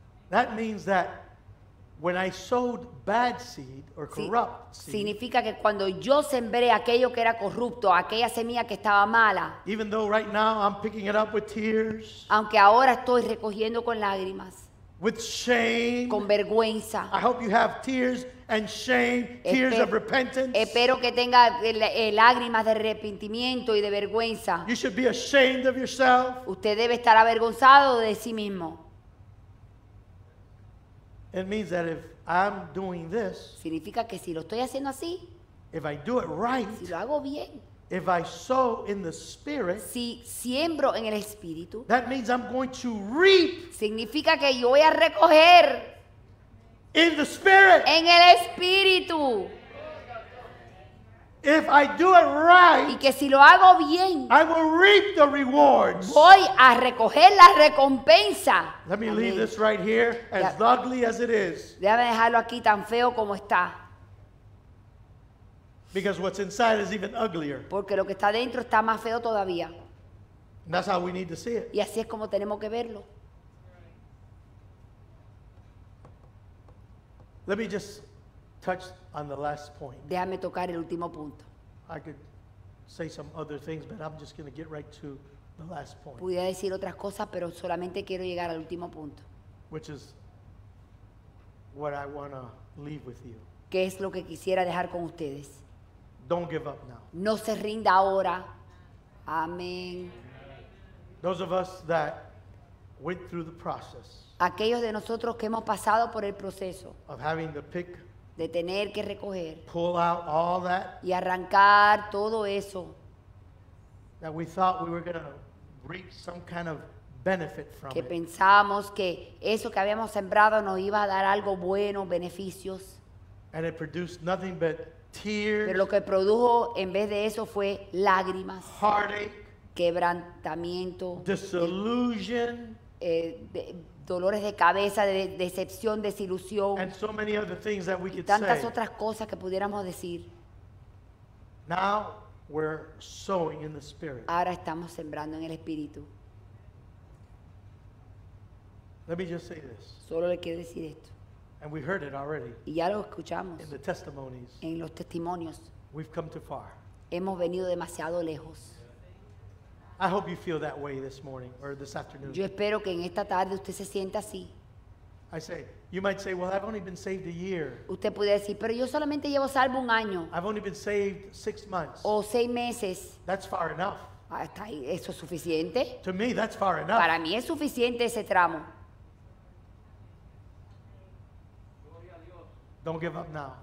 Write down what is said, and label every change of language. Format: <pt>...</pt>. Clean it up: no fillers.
<en>That means that when I sowed bad seed or corrupt seed.</en> <es>Significa que cuando yo sembré aquello que era corrupto, aquella semilla que estaba mala.</es> <en>Even though right now I'm picking it up with tears.</en> <es>Aunque ahora estoy recogiendo con lágrimas.</es> <en>With shame.</en> <es>Con vergüenza.</es> <en>I hope you have tears and shame, tears of repentance.</en> <es>Espero que tenga lágrimas de arrepentimiento y de vergüenza.</es> <en>You should be ashamed of yourself.</en> <es>Usted debe estar avergonzado de sí mismo.</es> <en>It means that if I'm doing this,</en> <es>significa que si lo estoy haciendo así,</es> <en>if I do it right,</en> <es>si lo hago bien,</es> <en>if I sow in the spirit,</en> <es>si siembro en el espíritu,</es> <en>that means I'm going to reap.</en> <es>Significa que yo voy a recoger.</es> <en>In the spirit.</en> <es>En el espíritu.</es> <en>If I do it right.</en> <es>Y que si lo hago bien.</es> <en>I will reap the rewards.</en> <es>Voy a recoger la recompensa.</es> <en>Let me leave this right here. As ugly as it is.</en> <es>Déjame dejarlo aquí tan feo como está.</es> <en>Because what's inside is even uglier.</en> <es>Porque lo que está dentro está más feo todavía.</es> <en>And that's how we need to see it.</en> <es>Y así es como tenemos que verlo.</es> <en>Let me just touch on the last point.</en> <es>Déjame tocar el último punto.</es> <en>I could say some other things, but I'm just going to get right to the last point.</en> <es>Pudiera decir otras cosas, pero solamente quiero llegar al último punto.</es> <en>Which is what I want to leave with you.</en> <es>¿Qué es lo que quisiera dejar con ustedes?</es> <en>Don't give up now.</en> <es>No se rinda ahora. Amén.</es> <en>Those of us that went through the process.</en> <es>aquellos de nosotros que hemos pasado por el proceso</es> <en>of having to pick,</en> <es>de tener que recoger</es> <en>pull out all that,</en> <es>y arrancar todo eso</es> <en>that we thought we were gonna reap some kind of benefit from</en> <es>que pensábamos que eso que habíamos sembrado nos iba a dar algo bueno, beneficios.</es> <en>And it produced nothing but tears,</en> <es>pero lo que produjo en vez de eso fue lágrimas,</es> <en>heartache,</en> <es>quebrantamiento,</es> <en>disillusion,</en> <es>dolores de cabeza, de decepción, desilusión,</es> <en>and so many other things that we could</en> <es>tantas</es> <en>say.</en> <es>Otras cosas que pudiéramos decir.</es> <en>Now we're sowing in the Spirit.</en> <es>Ahora estamos sembrando en el Espíritu.</es> <en>Let me just say this.</en> <es>Solo le quiero decir esto.</es> <en>And we heard it already.</en> <es>Y ya lo escuchamos.</es> <en>In the testimonies.</en> <es>En los testimonios.</es> <en>We've come too far.</en> <es>Hemos venido demasiado lejos.</es> <en>I hope you feel that way this morning or this afternoon.</en> <es>Yo espero que en esta tarde usted se sienta así.</es> <en>I say, you might say, well, I've only been saved a year.</en> <es>Usted puede decir, pero yo solamente llevo salvo un año.</es> <en>I've only been saved 6 months.</en> <es>O 6 meses.</es> <en>That's far enough.</en> <es>Hasta ahí, eso es suficiente.</es> <en>To me, that's far enough.</en> <es>Para mí es suficiente ese tramo.</es> <en>Don't give up now.</en>